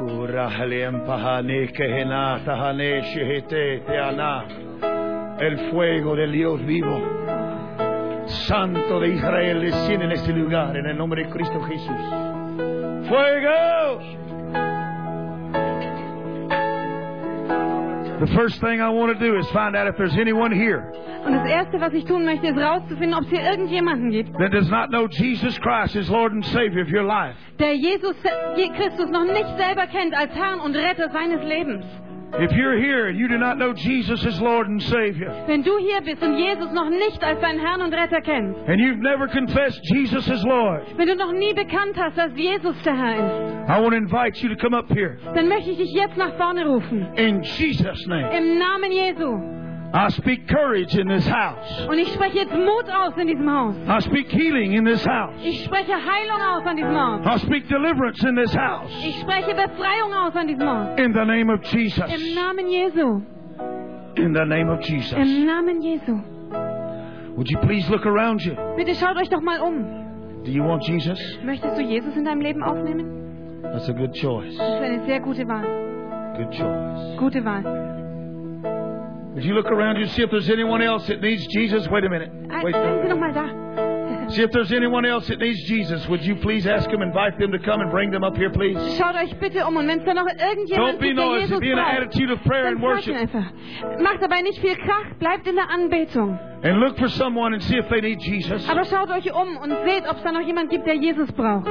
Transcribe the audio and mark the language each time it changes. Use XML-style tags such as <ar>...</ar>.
<es>Rahalem pahane kehena tahane shehete teana el fuego del Dios vivo santo de Israel desciende en este lugar en el nombre de Cristo Jesús. Fuego.</es> <en>The first thing I want to do is find out if there's anyone here.</en> <de>Und das erste, was ich tun möchte, ist rauszufinden, ob es hier irgendjemanden gibt.</de> <en>That does not know Jesus Christ as Lord and Savior of your life.</en> <de>Der Jesus Christus noch nicht selber kennt als Herrn und Retter seines Lebens.</de> <en>If you're here and you do not know Jesus as Lord and Savior.</en> <de>Wenn du hier bist und Jesus noch nicht als deinen Herrn und Retter kennst.</de> <en>And you've never confessed Jesus as Lord.</en> <de>Wenn du noch nie bekannt hast, dass Jesus der Herr ist.</de> <en>I want to invite you to come up here.</en> <de>Dann möchte ich dich jetzt nach vorne rufen.</de> <en>In Jesus' name.</en> <de>Im Namen Jesu.</de> <en>I speak courage in this house.</en> <de>Und ich spreche jetzt Mut aus in diesem Haus.</de> <en>I speak healing in this house.</en> <de>Ich spreche Heilung aus an diesem Haus.</de> <en>I speak deliverance in this house.</en> <de>Ich spreche Befreiung aus an diesem Haus.</de> <en>In the name of Jesus.</en> <de>Im Namen Jesu.</de> <en>In the name of Jesus.</en> <de>Im Namen Jesu.</de> <en>Would you please look around you?</en> <de>Bitte schaut euch doch mal um.</de> <en>Do you want Jesus?</en> <de>Möchtest du Jesus in deinem Leben aufnehmen?</de> <en>That's a good choice.</en> <de>Das ist eine sehr gute Wahl.</de> <en>Good choice.</en> <de>Gute Wahl.</de> <en>Would you look around you and see if there's anyone else that needs Jesus? Wait a minute. Wait.</en> <de>Sind Sie noch mal da?</de> <en>See if there's anyone else that needs Jesus. Would you please ask them, invite them to come and bring them up here, please?</en> <de>Schaut euch bitte um, und wenn es da noch irgendjemand gibt, der Jesus braucht, dann zeigt ihn einfach. Macht dabei nicht viel Krach, bleibt in der Anbetung.</de> <en>And look for someone and see if they need Jesus.</en> <de>Aber schaut euch um und seht, ob es da noch jemand gibt, der Jesus braucht.</de>